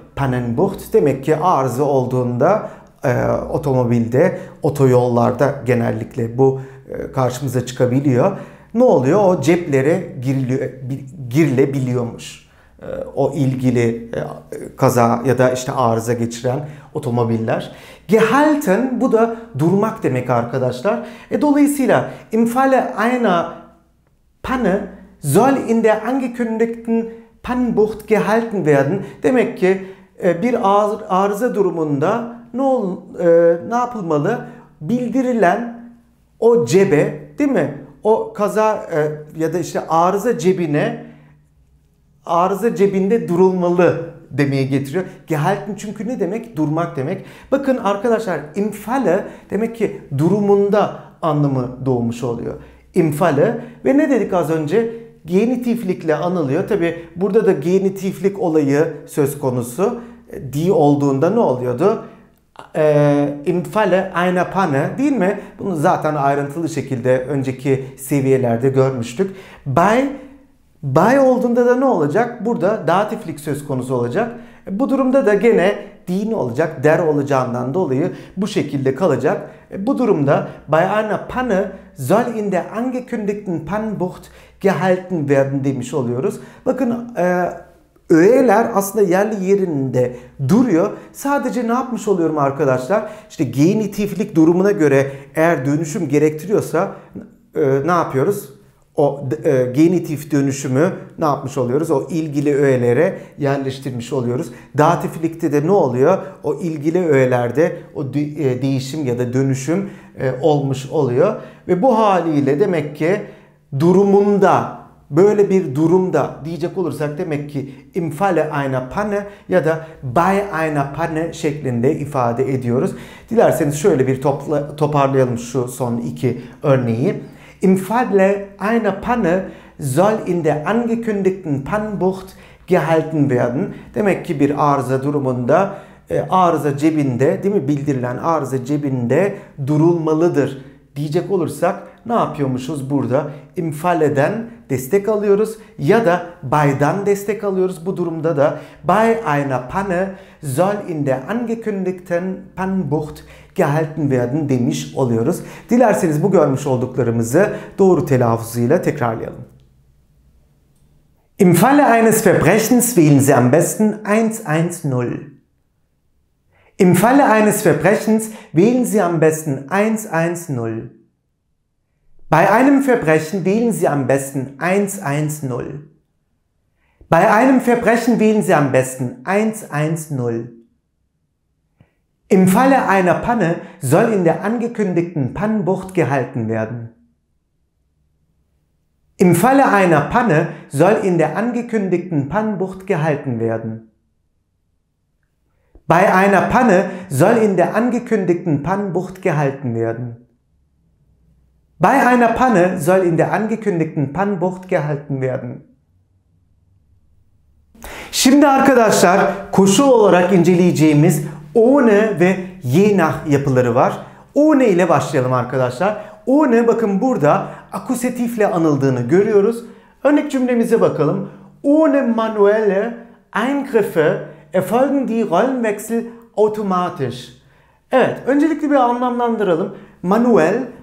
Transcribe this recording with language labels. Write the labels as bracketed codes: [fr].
[tr] Pannenbucht demek ki arıza olduğunda otomobilde, otoyollarda genellikle bu karşımıza çıkabiliyor. Ne oluyor? O ceplere girilebiliyormuş. O ilgili kaza ya da işte arıza geçiren otomobiller. Gehalten, bu da durmak demek arkadaşlar. Dolayısıyla [de] im Falle einer Panne soll in der angekündigten Pannenbucht gehalten werden. [tr] Demek ki bir arıza durumunda ne yapılmalı? Bildirilen o cebe, değil mi? O kaza ya da işte arıza cebine, arıza cebinde durulmalı demeye getiriyor. Gehalten çünkü ne demek? Durmak demek. Bakın arkadaşlar, im Falle demek ki durumunda anlamı doğmuş oluyor. Im Falle ve ne dedik az önce? Genitiflikle anılıyor. Tabii burada da genitiflik olayı söz konusu. Die olduğunda ne oluyordu? [de] Im Falle einer Panne, [tr] değil mi? Bunu zaten ayrıntılı şekilde önceki seviyelerde görmüştük. Bei olduğunda da ne olacak? Burada datiflik söz konusu olacak. Bu durumda da gene din olacak, der olacağından dolayı bu şekilde kalacak. Bu durumda [de] Bei einer Panne soll in der angekündigten Pannenbucht gehalten werden [tr] demiş oluyoruz. Bakın öğeler aslında yerli yerinde duruyor. Sadece ne yapmış oluyorum arkadaşlar? İşte genitiflik durumuna göre eğer dönüşüm gerektiriyorsa ne yapıyoruz? O genitif dönüşümü ne yapmış oluyoruz? O ilgili öğelere yerleştirmiş oluyoruz. Datiflikte de ne oluyor? O ilgili öğelerde o değişim ya da dönüşüm olmuş oluyor. Ve bu haliyle demek ki durumunda, böyle bir durumda diyecek olursak demek ki [de] im Falle einer Panne [tr] ya da [de] bei einer Panne [tr] şeklinde ifade ediyoruz. Dilerseniz şöyle bir toparlayalım şu son iki örneği. [de] Im Falle einer Panne soll in der angekündigten Pannenbucht gehalten werden. [tr] Demek ki bir arıza durumunda, arıza cebinde, değil mi, bildirilen arıza cebinde durulmalıdır diyecek olursak ne yapıyormuşuz burada? Im Falle'den destek alıyoruz ya da Bay'dan destek alıyoruz. Bu durumda [de] da Bei einer Panne soll in der angekündigten Pannenbucht gehalten werden [tr] demiş oluyoruz. Dilerseniz bu görmüş olduklarımızı doğru telaffuzuyla tekrarlayalım. [de] Im Falle eines Verbrechens wählen Sie am besten 110. Im Falle eines Verbrechens wählen Sie am besten 110. Bei einem Verbrechen wählen Sie am besten 110. Bei einem Verbrechen wählen Sie am besten 110. Im Falle einer Panne soll in der angekündigten Pannenbucht gehalten werden. Im Falle einer Panne soll in der angekündigten Pannenbucht gehalten werden. Bei einer Panne soll in der angekündigten Pannenbucht gehalten werden. Bei einer Panne soll in der angekündigten Pannenbucht gehalten werden. [tr] Şimdi arkadaşlar koşul olarak inceleyeceğimiz ohne ve je nach yapıları var. Ohne ile başlayalım arkadaşlar. Ohne, bakın burada akusatifle anıldığını görüyoruz. Örnek cümlemize bakalım. [de] Ohne manuelle Eingriffe erfolgen die Rollenwechsel automatisch. [tr] Evet, öncelikle bir anlamlandıralım. [de] Manuel